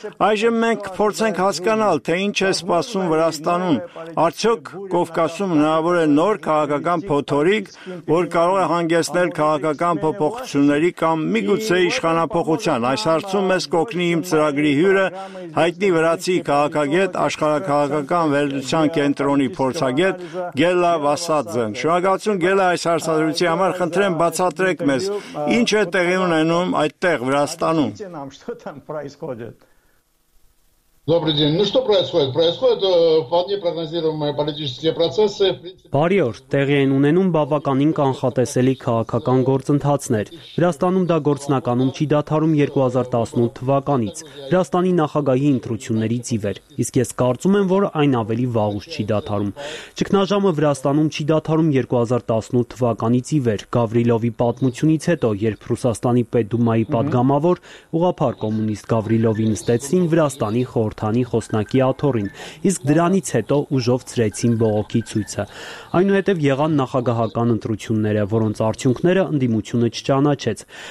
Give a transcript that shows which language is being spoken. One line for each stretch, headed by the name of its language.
Armenian: Այժմ մենք փորձենք հասկանալ, թե ինչ է սպասում Վրաստանում, արդյոք Կովկասում հնարավոր է նոր քաղաքական փոթորիկ, որ կարող է հանգեցնել քաղաքական փոփոխությունների կամ միգուցե իշխանափոխության։ Այս հարցում մեզ կօգնի իմ ծրագրի հյուրը, հայտնի վրացի քաղաքագետ, աշխարհաքաղաքական վերլուծության կենտրոնի փորձագետ Գելլա Վասաձեն։ Շնորհակալություն, Գելլա, այս հարցազրույցի համար։ Խնդրեմ, բացատրեք մեզ, ինչ է տեղի ունենում այդտեղ Վրաստանում։
Russian: Добрый день. Ну что происходит? Происходят вполне прогнозируемые политические процессы.
Armenian: Բարի օր, տեղի են ունենում բավականին կանխատեսելի քաղաքական գործընթացներ։ Վրաստանում դա գործնականում չի դադարում 2018 թվականից, Վրաստանի նախագահի ընտրություններից ի վեր, իսկ ես կարծում եմ, որ այն ավելի վաղուց չի դադարում։ Ճգնաժամը Վրաստանում չի դադարում 2018 թվականից ի վեր, Գավրիլովի պատմությունից հետո, երբ Ռուսաստանի պետդումայի պատգամավոր ուղափար կոմունիստ Գավրիլովին ստեցին Վրաստանի Խորհրդանի խոսնակի աթոռին, իսկ դրանից հետո ուժով ցրեցին բողոքի ցույցը։ Այնուհետև եղան նախագահական ընտրությունները, որոնց արդյունքները ընդդիմությունը չճանաչեց։